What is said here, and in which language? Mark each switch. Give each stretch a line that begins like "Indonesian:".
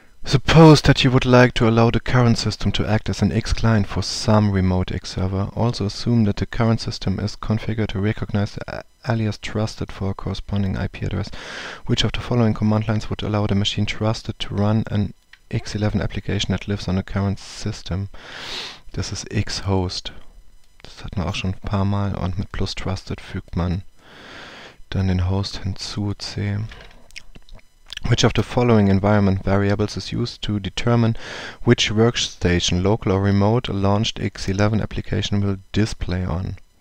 English: Suppose that you would like to allow the current system to act as an X client for some remote X server. Also assume that the current system is configured to recognize the alias trusted for a corresponding IP address. Which of the following command lines would allow the machine trusted to run an X11 application that lives on the current system?
German: Das ist X-Host. Das hatten wir auch schon ein paar Mal. Und mit plus trusted fügt man dann den Host hinzu, C.
English: Which of the following environment variables is used to determine which workstation, local or remote, a launched X11 application will display on?